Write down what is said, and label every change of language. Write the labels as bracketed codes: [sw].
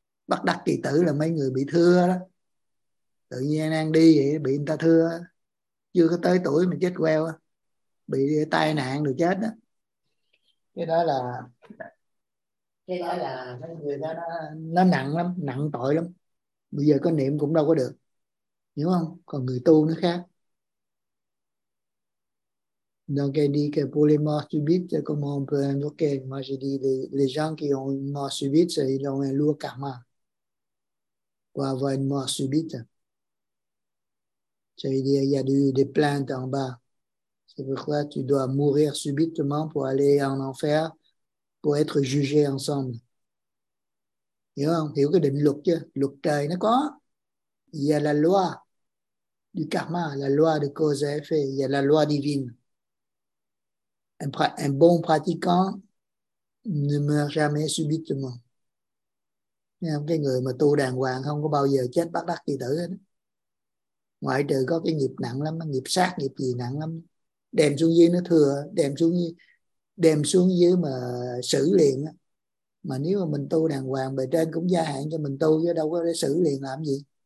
[vi] Bất đắc kỳ tử là mấy người bị thưa đó. Tự nhiên đang đi vậy bị người ta thưa đó. Chưa có tới tuổi mà chết queo á. Bị tai nạn rồi chết đó. Cái đó là cái người đó nó nặng lắm, nặng tội lắm. Bây giờ có niệm cũng đâu có được. Hiểu không? Còn người tu nó khác. [fr] Donc elle dit que pour les morts subites, comment on peut invoquer? Moi je dis les gens qui ont une mort subite, ils ont un lourd karma. Pour avoir une mort subite. C'est-à-dire il y a des plaintes en bas. C'est pourquoi tu dois mourir subitement pour aller en enfer, pour être jugé ensemble. [vi] Hiểu cái định luật chưa? Luật trời nó có. [fr] Il y a la loi du karma, la loi de cause et effet, il y a la loi divine. Un bon pratiquant ne meurt jamais subitement. [vi] Cái người mà tu đàng hoàng không có bao giờ chết bất đắc kỳ tử hết. Ngoại trừ có cái nghiệp nặng lắm, nghiệp sát, nghiệp gì nặng lắm. Đem xuống dưới nó thừa, đem xuống dưới mà xử liền. Mà nếu mà mình tu đàng hoàng, bề trên cũng gia hạn cho mình tu, chứ đâu có để xử liền làm gì.